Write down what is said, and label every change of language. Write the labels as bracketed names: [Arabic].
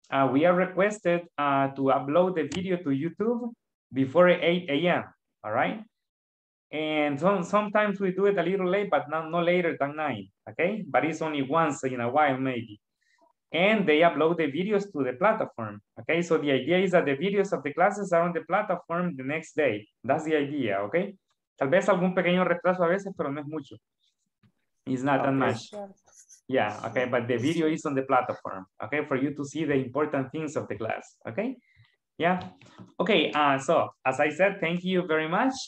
[English] We are requested to upload the video to YouTube before 8 a.m., all right? And so, sometimes we do it a little late, but no later than 9, okay? But it's only once in a while, maybe. And they upload the videos to the platform, okay? So the idea is that the videos of the classes are on the platform the next day. That's the idea, okay? [Spanish] Tal vez algún pequeño retraso a veces, pero no es mucho. [English] It's not that much. Yeah, okay, but the video is on the platform, okay, for you to see the important things of the class, okay? Yeah, okay, so as I said, thank you very much.